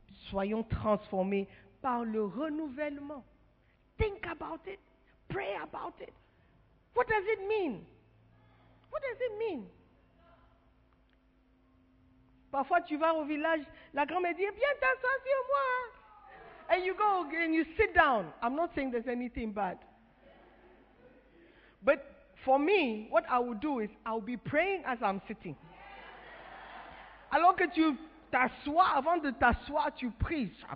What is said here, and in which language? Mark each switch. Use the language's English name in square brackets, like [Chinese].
[French] Soyons transformés par le renouvellement. [English] Think about it. Pray about it. What does it mean? What does it mean? [French] Parfois, tu vas au village, la grand-mère dit, viens t'asseoir sur moi. [English] And you go and you sit down. I'm not saying there's anything bad. But for me, what I would do is, I'll be praying as I'm sitting. [French] Alors que tu t'assois, avant de t'asseoir, tu pries.